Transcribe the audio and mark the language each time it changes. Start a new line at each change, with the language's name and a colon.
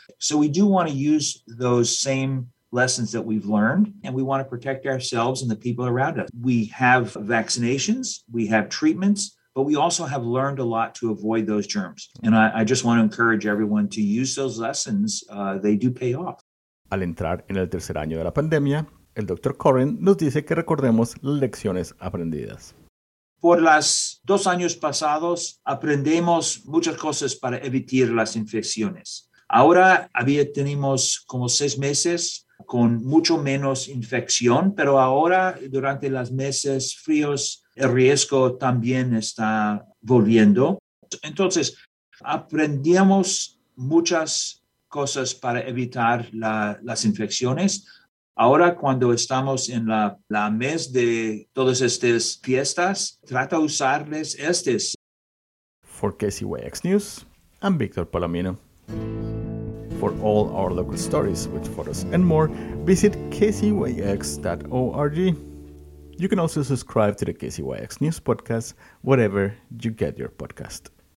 English: So we do want to use those same lessons that we've learned, and we want to protect ourselves and the people around us. We have vaccinations, we have treatments, but we also have learned a lot to avoid those germs. And I just want to encourage everyone to use those lessons. They do pay off.
Spanish: Al entrar en el tercer año de la pandemia, el Dr. Corin nos dice que recordemos lecciones aprendidas. Por los 2 años pasados, aprendemos muchas cosas para evitar las infecciones. Ahora tenemos como 6 meses con mucho menos infección, pero ahora, durante los meses fríos, el riesgo también está volviendo. Entonces, aprendimos muchas cosas para evitar las infecciones. Ahora, cuando estamos en la mes de todas estas fiestas, trata de usarles estas.
English: For KCYX News, I'm Victor Palomino. For all our local stories with photos and more, visit kcyx.org. You can also subscribe to the KCYX News podcast wherever you get your podcast.